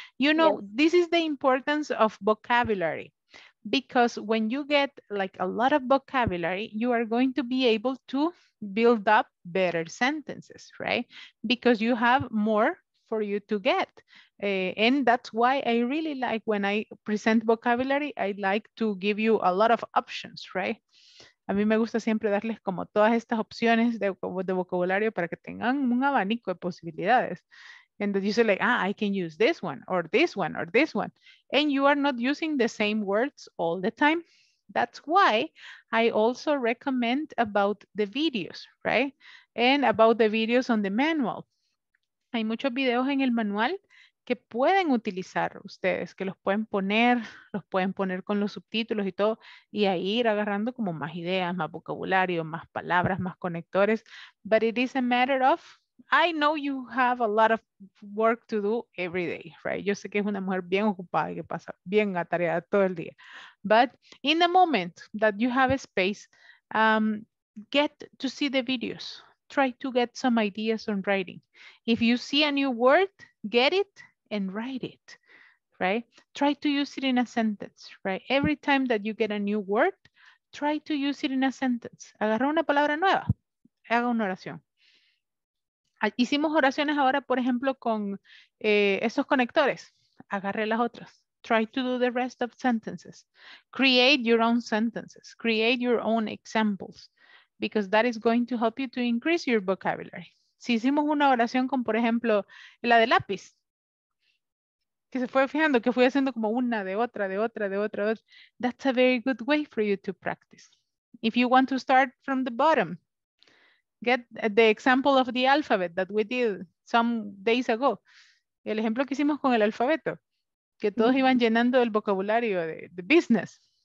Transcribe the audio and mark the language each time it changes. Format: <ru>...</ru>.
<en>You know, this is the importance of vocabulary. Because when you get like a lot of vocabulary, you are going to be able to build up better sentences, right? Because you have more for you to get. And that's why I really like when I present vocabulary, I like to give you a lot of options, right?</en> <es>A mí me gusta siempre darles como todas estas opciones de vocabulario para que tengan un abanico de posibilidades.</es> <en>And you say like, ah, I can use this one or this one or this one. And you are not using the same words all the time. That's why I also recommend about the videos, right? And about the videos on the manual.</en> <es>Hay muchos videos en el manual que pueden utilizar ustedes, que los pueden poner con los subtítulos y todo, y ahí ir agarrando como más ideas, más vocabulario, más palabras, más conectores.</es> <en>But it is a matter of, I know you have a lot of work to do every day, right?</en> <es>Yo sé que es una mujer bien ocupada y que pasa bien atareada todo el día.</es> <en>But in the moment that you have a space, get to see the videos. Try to get some ideas on writing. If you see a new word, get it and write it, right? Try to use it in a sentence, right? Every time that you get a new word, try to use it in a sentence.</en> <es>Agarra una palabra nueva, haga una oración. Hicimos oraciones ahora, por ejemplo, con esos conectores. Agarre las otras,</es> <en>try to do the rest of sentences. Create your own sentences, create your own examples, because that is going to help you to increase your vocabulary.</en> <es>Si hicimos una oración con, por ejemplo, la de lápiz, que se fue fijando, que fui haciendo como una de otra, de otra, de otra, de otra.</es> <en>That's a very good way for you to practice. If you want to start from the bottom, get the example of the alphabet that we did some days ago.</en> <es>El ejemplo que hicimos con el alfabeto, que todos iban llenando el vocabulario de</es> <en>the business.</en>